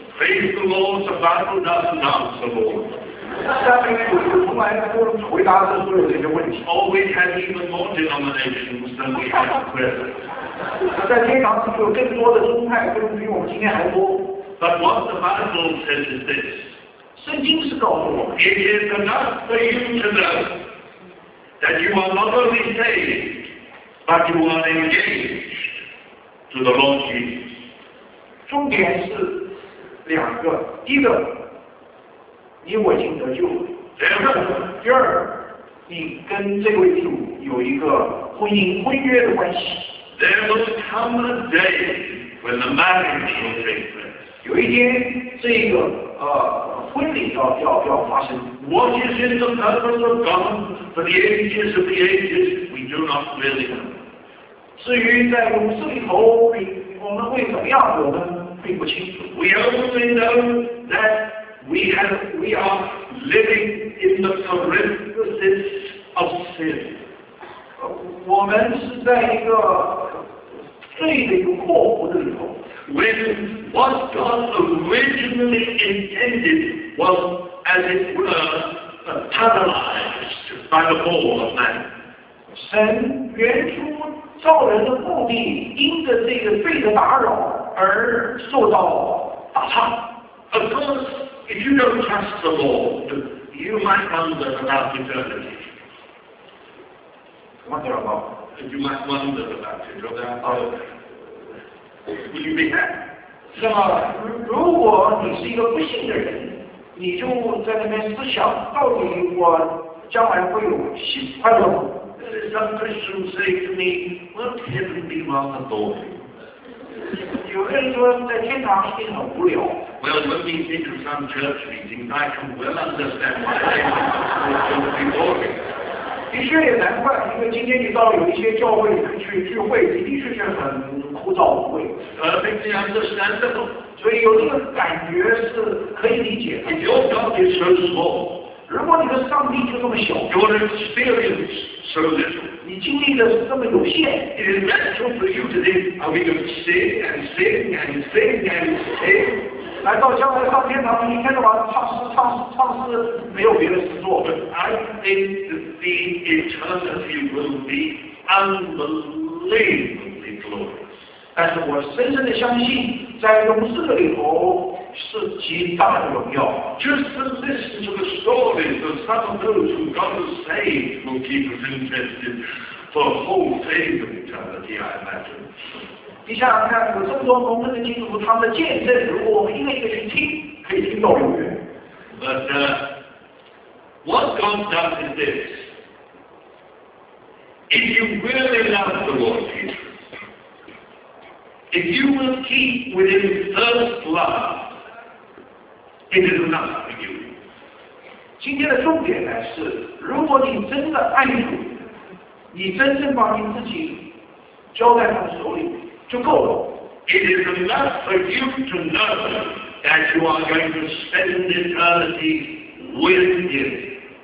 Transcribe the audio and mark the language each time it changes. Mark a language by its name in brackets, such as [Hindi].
[English] Praise the Lord, the Bible doesn't answer all. [Chinese] 下面呢，我们从来不回答的所有这些问题。 [English] Always had even more denominations than we have present. [Chinese] 在天堂是有更多的宗派，会比我们今天还多。 [English] But what the Bible says is this. [Chinese] 圣经是告诉我们。 [English] It is enough for you to know that you are not only saved, but you are engaged to the Lord Jesus. [Chinese] 重点是两个，一个你我已经得救了，第二你跟这位主有一个婚姻婚约的关系。 [English] There will come a day when the marriage will take place. [Chinese] 有一天这一个婚礼要发生。 [English] What is in the purpose of God for the ages of the ages? We do not really know. [Chinese] 至于在永世里头我们会怎么样，我们并不清楚。 [English] We only know that we are living in the parenthesis of sin. [Chinese] 我们是在一个罪的一个括弧的里头。 [English] When what God originally intended was, as it were, paralyzed by the fall of man. [Chinese] 神原初造人的目的，因着这个罪的打扰而受到打岔。 [English] Of course, if you don't trust the Lord, you might wonder about eternity. You might wonder about eternity. Will you be happy? [Chinese] 那么，如果你是一个不信的人，你就在那边思想，到底我将来会有喜快乐吗？ [English] Some Christians say to me, won't heaven be rather boring? [Chinese] 有人说在天堂一定很无聊。 [English] Well, when we think of some church meetings, I can well understand why they think it's going to be boring. [Chinese] 其实也难怪，因为今天你到有一些教会里面去聚会，的确是很枯燥无味。非常难受，难受。所以有这个感觉是可以理解的。 [English] If your God is so small, [Chinese] 如果你的上帝就这么小 [English] ，Your experience so little, [Chinese] 你经历的是这么有限。 [English] It is natural for you to think, I'm going to sing and sing and sing and sing. [Chinese] 来到教会上天堂，一天到晚唱诗唱诗唱诗，没有别的事做。 [English] But I think that the eternity will be unbelievably glorious. [Chinese] 但是我深深的相信，在永世的里头是极大的荣耀。 [English] Just listen to the stories of some of those who God has saved will keep us interested for a whole phase of eternity, I imagine. [Chinese] 你想想看，有这么多蒙恩的基督徒，他们的见证，如果我们一个一个去听，可以听到永远。 [English] But what God does is this: if you really love the Lord Jesus, if you will keep within first love, it is enough for you. [Chinese] 今天的重点呢是，如果你真的爱主，你真正把你自己交在他的手里。就够了。 [English] It is enough for you to know that you are going to spend eternity with Him.